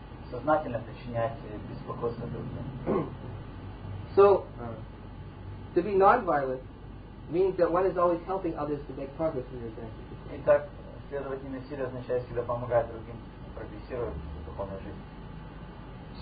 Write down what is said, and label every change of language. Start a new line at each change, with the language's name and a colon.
Russian: Сознательно причинять беспокойство другим.
English: So, to be non-violent means that one is always helping others to make progress in their journey.
Russian: Итак, следовательно, насилие означает всегда помогать другим прогрессировать в духовной жизни.